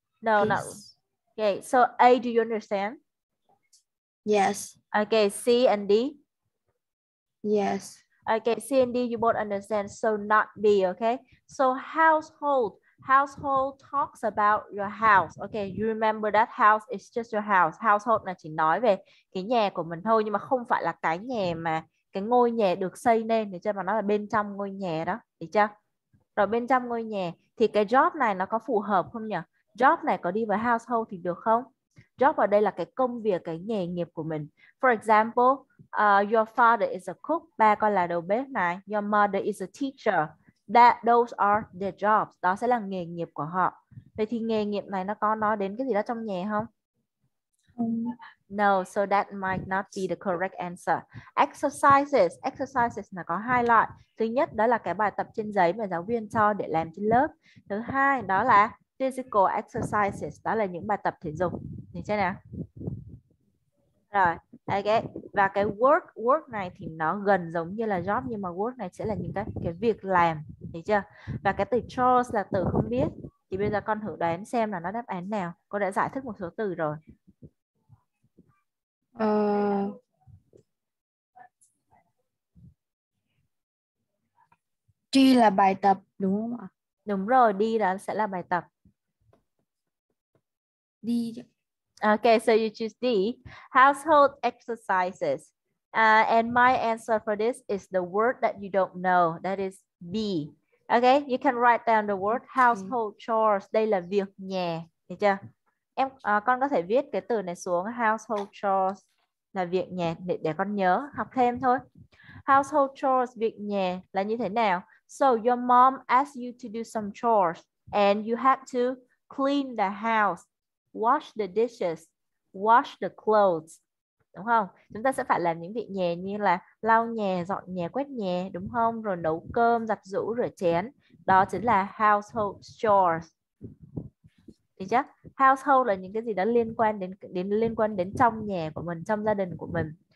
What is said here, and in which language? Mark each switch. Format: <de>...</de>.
<en>No, please. No. Okay, so A, do you understand? Yes. Okay, C and D? Yes. Okay, C and D, you both understand, so not B, okay? So household. Household talks about your house. Okay, you remember that house is just your house.</en> <vi>Household là chỉ nói về cái nhà của mình thôi, nhưng mà không phải là cái nhà mà cái ngôi nhà được xây nên, để cho mà nó là bên trong ngôi nhà đó, được chưa? Rồi bên trong ngôi nhà thì cái job này nó có phù hợp không nhỉ? Job này có đi vào household thì được không? Job ở đây là cái công việc, cái nghề nghiệp của mình.</vi> <en>For example, your father is a cook,</en> <vi>ba con là đầu bếp này.</vi> <en>Your mother is a teacher. That those are their jobs.</en> <vi>Đó sẽ là nghề nghiệp của họ. Vậy thì nghề nghiệp này nó có nói đến cái gì đó trong nhà không?</vi> <en>No, so that might not be the correct answer. Exercises.</en> <vi>Exercises là có hai loại. Thứ nhất đó là cái bài tập trên giấy mà giáo viên cho để làm trên lớp. Thứ hai đó là physical exercises. Đó là những bài tập thể dục. Được chưa nào? Rồi, okay. Và cái work này thì nó gần giống như là job, nhưng mà work này sẽ là những cái việc làm, thấy chưa? Và cái từ chores là từ không biết, thì bây giờ con thử đoán xem là nó đáp án nào. Cô đã giải thích một số từ rồi. Đi là bài tập đúng không ạ? Đúng rồi, đi là sẽ là bài tập. Đi.</vi> <en>Okay, so you choose D. Household exercises. And my answer for this is the word that you don't know. That is be. Okay, you can write down the word household chores.</en> <vi>Đây là việc nhà. Được chưa? Em, con có thể viết cái từ này xuống. Household chores là việc nhà. Để con nhớ, học thêm thôi. Household chores, việc nhà là như thế nào?</vi> <en>So your mom asks you to do some chores. And you have to clean the house, wash the dishes, wash the clothes.</en> <vi>Đúng không? Chúng ta sẽ phải làm những việc nhà như là lau nhà, dọn nhà, quét nhà, đúng không? Rồi nấu cơm, giặt giũ, rửa chén. Đó chính là household chores. Được chưa? Household là những cái gì đó liên quan đến liên quan đến trong nhà của mình, trong gia đình của mình.</vi>